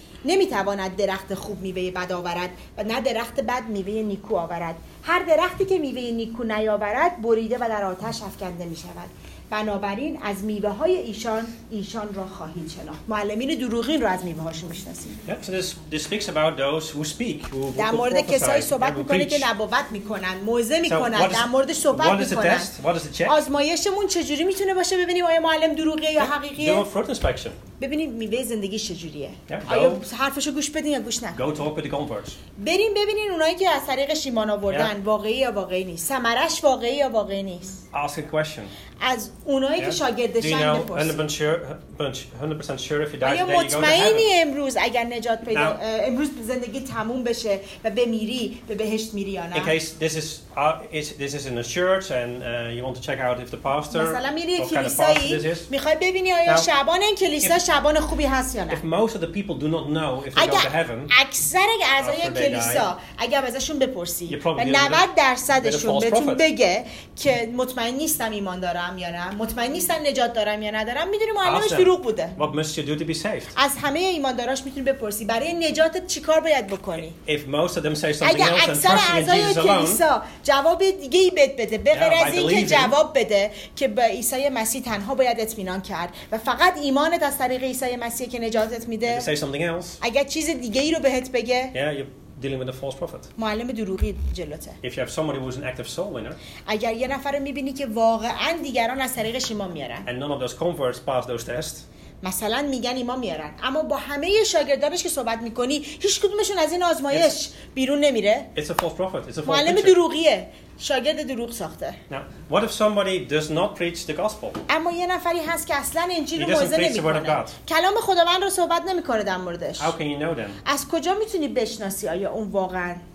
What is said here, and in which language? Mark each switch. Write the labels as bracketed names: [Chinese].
[Persian] نمی‌تواند درخت خوب میوه بد آورد و نه درخت بد میوه نیکو آورد. هر درختی که میوه نیکو نیاورد بریده و در آتش افکنده می‌شود. بنابراین از میوه های ایشان را خواهید شناخت. معلمین دروغین را از میوه هاشون میشناسید. [English] This speaks about those who speak, who prophesy. [Persian] در مورد کسایی صحبت میکنه که نبوت میکنن، موعظه میکنن، در موردش صحبت میکنن. آزمایشمون چجوری میتونه باشه ببینیم آیا معلم دروغه یا حقیقیه؟ [English] Do a fruit inspection. [Persian] ببینیم میوه زندگی چجوریه. آیا حرفشو گوش بدین یا گوش ندین. [English] Go talk with the converts. [Persian] بریم ببینین اونایی که از طریق شیمان آوردن واقعی یا واقعی نیست. ثمرش واقعی یا واقعی نیست. [English] Ask a question. [Persian] از اونایی که شاگردشان بپرسید. آیا مطمئنی امروز اگر نجات پیدا امروز زندگی تموم بشه و بمیری به بهشت میری یا نه؟ [English] In case this is in a church and you want to check out if the pastor. [Persian] مثلا میری کلیسایی میخوای ببینی آیا شبان این کلیسا شبان خوبی هست یا نه؟ [English] If most of the people do not know if they go to heaven. [Persian] اکثر اعضای کلیسا اگر ازشون بپرسی 90 درصدشون بهتون بگه که مطمئن نیستم ایمان دارم یا نه، مطمئن نیستم نجات دارم یا ندارم، میدونی معلمش دروغ بوده. [English] What must you do to be saved? [Persian] از همه ایمانداراش میتونی بپرسی برای نجاتت چیکار باید بکنی. [English] If most of them say something else and trust in Jesus alone. [Persian] اگر اکثر اعضای کلیسا جواب دیگه‌ای بهت بده به غیر از این که جواب بده که به عیسی مسیح تنها باید اطمینان کرد و فقط ایمانت از طریق عیسی مسیح که نجاتت میده. [English] If they say something else. [Persian] اگر چیز دیگه‌ای رو بهت بگه. [English] Dealing with a false prophet. [Persian] معلم دروغی جلوته. [English] If you have somebody who is an active soul winner. [Persian] اگر یه نفر رو می‌بینی که واقعاً دیگران از طریق شما میارن. [English] And none of those converts pass those tests. [Persian] مثلا میگن ایمان میارن، اما با همه شاگردانش که صحبت میکنی هیچ کدومشون از این آزمایش بیرون نمیره. [English] It's a false prophet. It's a false [Persian] معلم دروغیه. شاگرد دروغ ساخته. [English] Now, what if somebody does not preach the gospel? [Persian] اما یه نفری هست که اصلا انجیل رو موعظه نمی‌کنه. کلام خداوند رو صحبت نمی‌کنه در موردش. [English] How can you know them? [Persian] از کجا می‌تونی بشناسی آیا اون واقعاً؟